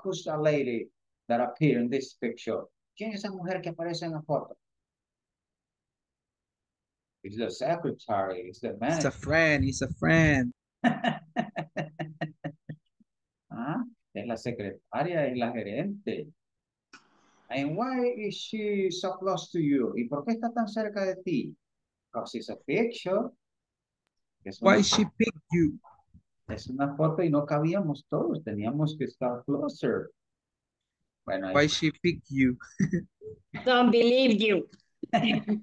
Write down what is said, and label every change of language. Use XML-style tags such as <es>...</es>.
<en>Who's the lady that appeared in this picture?</en> <es>¿Quién es esa mujer que aparece en la foto?</es> <en>It's the secretary, it's the manager. It's a friend.</en> <es>Ah, es la secretaria, es la gerente.</es> <en>And why is she so close to you?</en> <es>¿Y por qué está tan cerca de ti?</es> <en>Because it's a picture. Why she picked you?</en> <es>Es una foto y no cabíamos todos, teníamos que estar closer.</es> <en>Bueno, why she pick you? Don't believe you.</en>